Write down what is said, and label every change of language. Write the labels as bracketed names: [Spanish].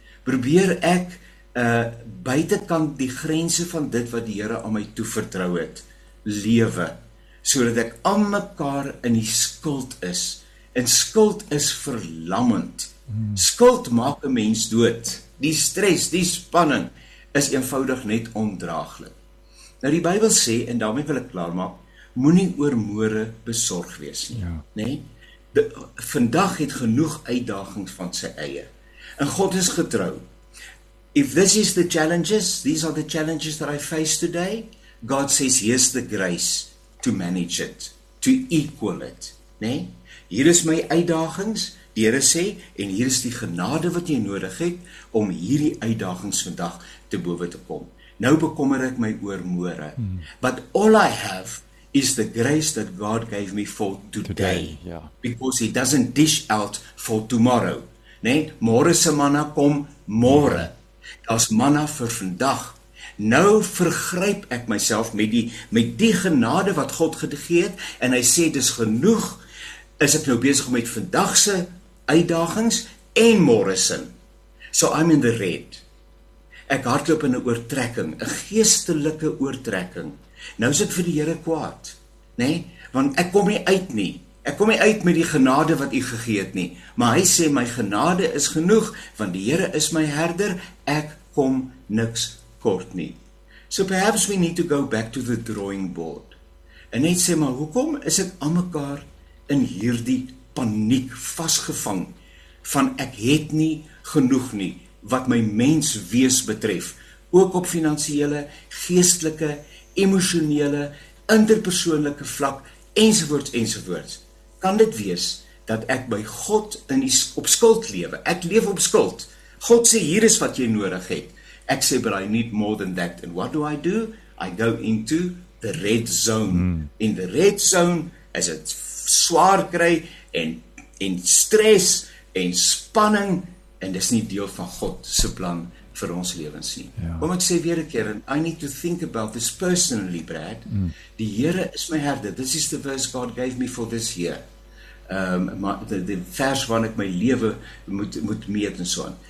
[Afrikaans] Probeer ek buitekant die grense van dit wat die Here aan my toevertrou het, lewe, sodat ek aan mekaar in die skuld is. En skuld is verlammend. Skuld maak 'n mens dood. Die stres, die spanning is eenvoudig net ondraaglik. Nou die Bybel sê, en daarmee wil ek klaar maak, moenie oor môre besorg wees nie, ja. Nê? Nee? Vandag het genoeg uitdagings van sy eie. En God is getrou. [English] If this is the challenges, these are the challenges that I face today, God says he has the grace to manage it, to equal it, nê? [Afrikaans] Nee? Hier is my uitdagings. Die Here sê, en hier is die genade wat jy nodig het om hierdie uitdagings vandag te bowe te kom. Nou bekommer ek my oor môre. [English] But all I have is the grace that God gave me for today. Because he doesn't dish out for tomorrow. [Afrikaans] Nee, môre se manna kom môre. Daar's manna vir vandag. Nou vergryp ek myself met die genade wat God gegee het en hy sê dis genoeg. Is ek nou besig met vandag se uitdagings en môre se. [English] So I'm in the red. [Afrikaans] Ek hardloop in 'n oortrekking, 'n geestelike oortrekking. Nou is ek vir die Here kwaad, nê? Nee? Want ek kom nie uit nie. Ek kom nie uit met die genade wat U gegee het nie, maar hy sê my genade is genoeg want die Here is my herder, ek kom niks kort nie. [English] So perhaps we need to go back to the drawing board. [Afrikaans] En net sê maar hoekom is ek aan mekaar in hierdie paniek vasgevang van ek het nie genoeg nie wat my menswees betref, ook op finansiële, geestelike, emosionele, interpersoonlike vlak ensovoorts ensovoorts. Kan dit wees dat ek by God in die op skuld lewe? Ek leef op skuld. God sê hier is wat jy nodig het. Ek sê [English] but I need more than that. And what do? I go into the red zone. In the red zone is it [Afrikaans] swaar kry en stres en spanning en dis nie deel van God se plan vir ons lewens nie. Ja. Kom ek sê weer 'n keer, [English] I need to think about this personally, Brad. Mm. [Afrikaans] Die Here is my herder. [English] This is the verse God gave me for this year. [Afrikaans] Maar die vers waarin ek my lewe moet meet en so aan.